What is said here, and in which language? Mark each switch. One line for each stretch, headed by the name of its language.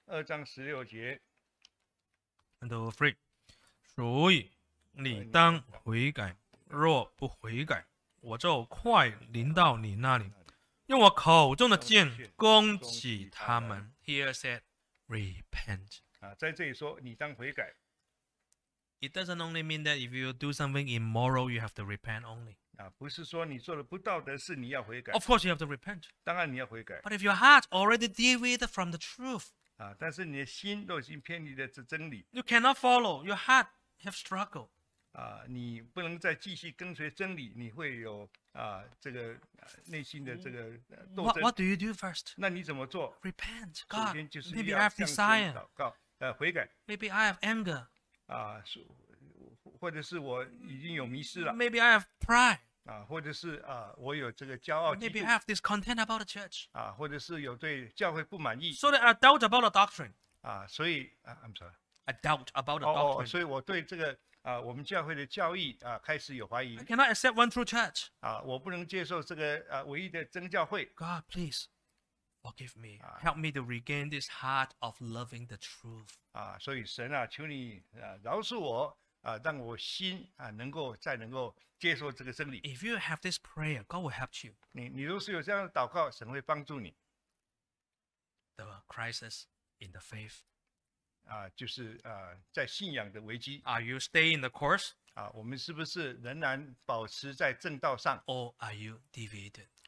Chinese: 二章十六节。
English: And three.
Chinese: 所以你当悔改，若不悔改。我就快临到你那里，用我口中的剑攻击他们。
English: Here said, repent.
Chinese: 啊，在这里说你当悔改。
English: It doesn't only mean that if you do something immoral, you have to repent only.
Chinese: 啊，不是说你做了不道德事你要悔改。
English: Of course, you have to repent.
Chinese: 当然你要悔改。
English: But if your heart already deviated from the truth,
Chinese: 啊，但是你的心都已经偏离了这真理。
English: You cannot follow. Your heart have struggled.
Chinese: 你不能再继续跟随真理，你会有这个内心的这个斗争。
English: What do you do first?
Chinese: 那你怎么做
English: ？Repent, God. Maybe I have desire.
Chinese: 祷告，悔改。
English: Maybe I have anger.
Chinese: 啊，或者是我已经有迷失了。
English: Maybe I have pride.
Chinese: 啊，或者是我有这个骄傲嫉妒。
English: Maybe I have discontent about the church.
Chinese: 啊，或者是有对教会不满意。
English: So that I doubt about the doctrine.
Chinese: 啊，所以
English: I'm sorry. I doubt about the doctrine.
Chinese: 所以我对这个。我们教会的教义开始有怀疑。
English: I cannot accept one true church.
Chinese: 我不能接受这个唯一的真教会。
English: God, please forgive me. Help me to regain this heart of loving the truth.
Chinese: 所以神啊，求你饶恕我让我心能够接受这个真理。
English: If you have this prayer, God will help you.
Chinese: 你若是有这样的祷告，神会帮助你。
English: The crisis in the faith.
Chinese: 就是在信仰的危机。
English: Are you staying in the course?
Chinese: 我们是不是仍然保持在正道上
English: ？Or are you deviated?